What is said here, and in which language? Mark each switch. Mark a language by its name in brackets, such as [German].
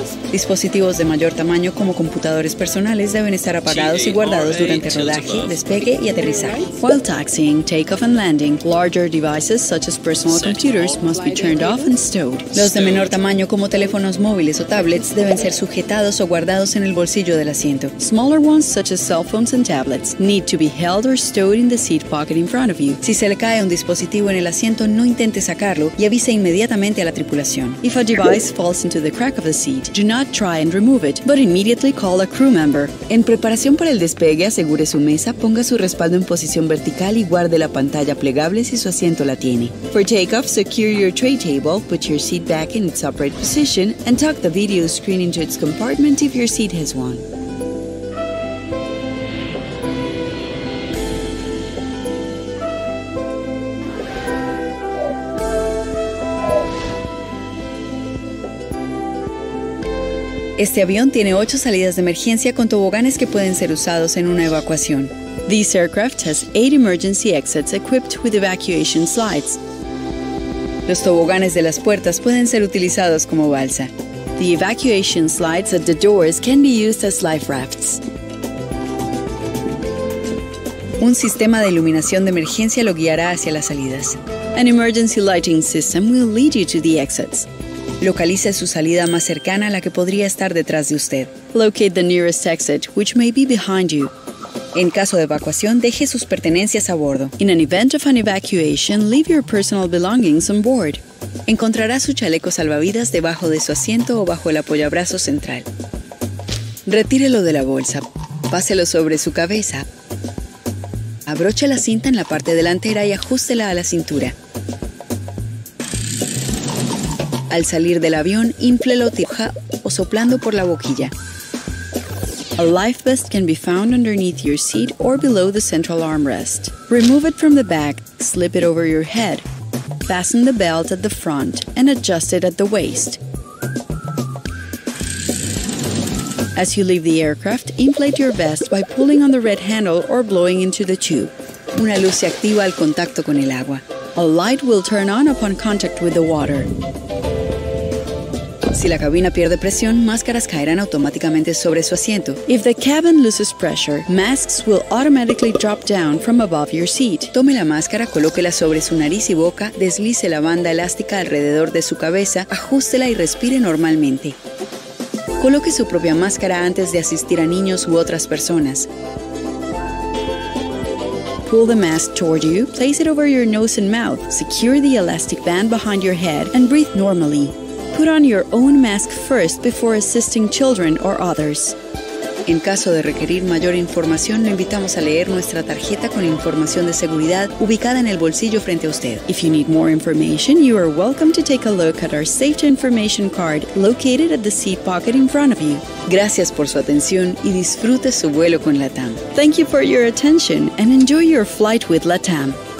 [Spanish] Dispositivos de mayor tamaño como computadores personales deben estar apagados y guardados durante rodaje, despegue y aterrizaje. [English] While taxiing, takeoff and landing, larger devices such as personal computers must be turned off and stowed. [Spanish] Los de menor tamaño como teléfonos móviles o tablets deben ser sujetados o guardados en el bolsillo del asiento. [English] Smaller ones such as cell phones and tablets need to be held or stowed in the seat pocket in front of you. [Spanish] Si se le cae un dispositivo en el asiento, no intente sacarlo y avise inmediatamente a la tripulación. [English] If a device falls into the crack of the seat, do not try and remove it, but immediately call a crew member. [Spanish] En preparación para el despegue, asegure su mesa, ponga su respaldo en posición vertical y guarde la pantalla plegable si su asiento la tiene. [English] For takeoff, secure your tray table, put your seat back in its upright position, and tuck the video screen into its compartment if your seat has one. [Spanish] Este avión tiene 8 salidas de emergencia con toboganes que pueden ser usados en una evacuación. [English] This aircraft has 8 emergency exits equipped with evacuation slides. [Spanish] Los toboganes de las puertas pueden ser utilizados como balsa. [English] The evacuation slides at the doors can be used as life rafts. [Spanish] Un sistema de iluminación de emergencia lo guiará hacia las salidas. [English] An emergency lighting system will lead you to the exits. [Spanish] Localice su salida más cercana a la que podría estar detrás de usted. [English] Locate the nearest exit, which may be behind you. [Spanish] En caso de evacuación, deje sus pertenencias a bordo. [English] In an event of an evacuation, leave your personal belongings on board. [Spanish] Encontrará su chaleco salvavidas debajo de su asiento o bajo el apoyabrazo central. Retírelo de la bolsa. Páselo sobre su cabeza. Abroche la cinta en la parte delantera y ajústela a la cintura. Al salir del avión, inflelo tija o soplando por la boquilla. [English] A life vest can be found underneath your seat or below the central armrest. Remove it from the back, slip it over your head. Fasten the belt at the front and adjust it at the waist. As you leave the aircraft, inflate your vest by pulling on the red handle or blowing into the tube. [Spanish] Una luz se activa al contacto con el agua. [English] A light will turn on upon contact with the water. [Spanish] Si la cabina pierde presión, máscaras caerán automáticamente sobre su asiento. [English] If the cabin loses pressure, masks will automatically drop down from above your seat. [Spanish] Tome la máscara, colóquela sobre su nariz y boca, deslice la banda elástica alrededor de su cabeza, ajústela y respire normalmente. Coloque su propia máscara antes de asistir a niños u otras personas. [English] Pull the mask toward you, place it over your nose and mouth, secure the elastic band behind your head, and breathe normally. Put on your own mask first before assisting children or others. [Spanish] En caso de requerir mayor información, lo invitamos a leer nuestra tarjeta con información de seguridad ubicada en el bolsillo frente a usted. [English] If you need more information, you are welcome to take a look at our safety information card located at the seat pocket in front of you. [Spanish] Gracias por su atención y disfrute su vuelo con LATAM. [English] Thank you for your attention and enjoy your flight with LATAM.